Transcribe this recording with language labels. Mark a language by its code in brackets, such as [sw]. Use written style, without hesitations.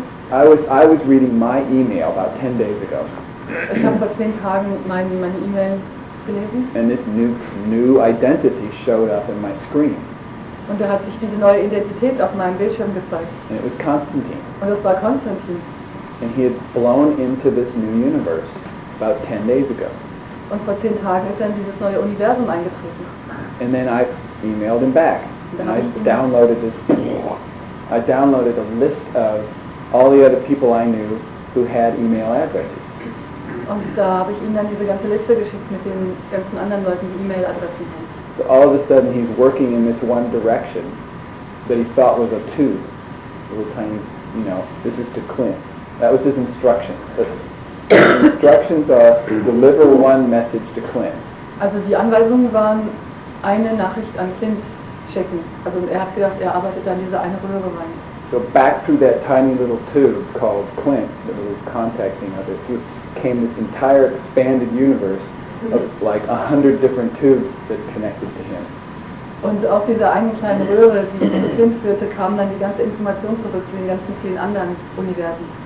[en] I was reading my email about 10 days ago. And this new identity showed up in my screen. [de] Und da hat sich diese neue Identität auf meinem Bildschirm gezeigt. [en] And it was Constantine. [de] Und das war Konstantin. [en] And he had blown into this new universe about 10 days ago. [de] Und vor 10 Tagen ist er in dieses neue Universum eingetreten. [en] And then I emailed him back. And I downloaded this. I downloaded a list of all the other people I knew who had email addresses. [de] Und da habe ich ihm dann diese ganze Liste geschickt mit den ganzen anderen Leuten, die E-Mail-Adressen haben. [en] So all of a sudden he's working in this one direction that he thought was a two. Little tiny, you know, this is to Clint. That was his instruction. The instructions are to deliver one message to Clint. [de] Also die Anweisungen waren, eine Nachricht an Clint schicken. Also er hat gedacht, er arbeitet an dieser eine Röhre rein. [en] So back through that tiny little tube called Clint, that was contacting other people, came this entire expanded universe of like 100 different tubes that connected to him. [de] Und aus dieser einen kleinen Röhre, die zu Clint führte, kam dann die ganze Information zurück zu den ganzen vielen anderen Universen.